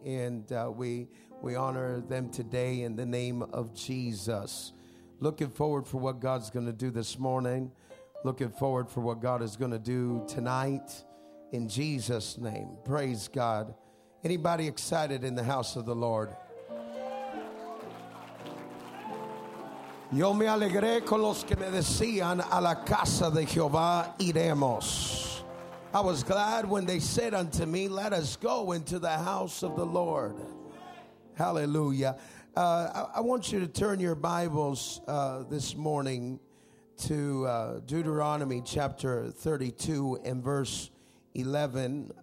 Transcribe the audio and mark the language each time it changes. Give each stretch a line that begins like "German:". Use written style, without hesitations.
English: And we honor them today in the name of Jesus. Looking forward for what God's going to do this morning. Looking forward for what God is going to do tonight. In Jesus' name. Praise God. Anybody excited in the house of the Lord?
Spanish: Yo me alegré con los que me decían, a la casa de Jehová iremos.
English: I was glad when they said unto me, let us go into the house of the Lord. Hallelujah. I want you to turn your Bibles this morning to Deuteronomy chapter 32 and verse 11.